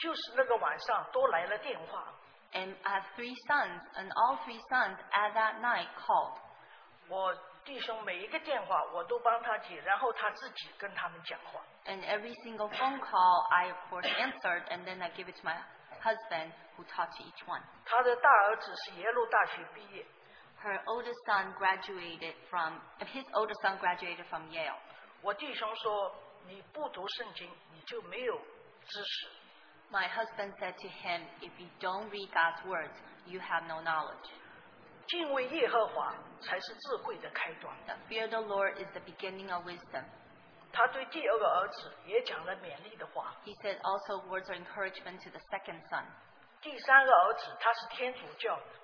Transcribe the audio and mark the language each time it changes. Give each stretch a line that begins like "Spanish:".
Chinese: 三个儿子就是那个晚上都来了电话。
English: And I have three sons, and all three sons at that night called.
Chinese: 弟兄每一个电话我都帮他接，然后他自己跟他们讲话。
English: And every single phone call I of course answered, and then I give it to my husband who talked to each one.
Chinese: 他的大儿子是耶鲁大学毕业。
English: Her oldest son graduated from, his oldest son graduated from Yale.
Chinese: 我弟兄说，你不读圣经，你就没有知识。
English: My husband said to him, if you don't read God's words, you have no knowledge.
Chinese: 敬畏耶和华才是智慧的开端。
English: Fear the Lord is the beginning of wisdom.
Chinese: 他对第二个儿子也讲了勉励的话。
English: He said also words of encouragement to the second son.
Chinese: 第三个儿子他是天主教的。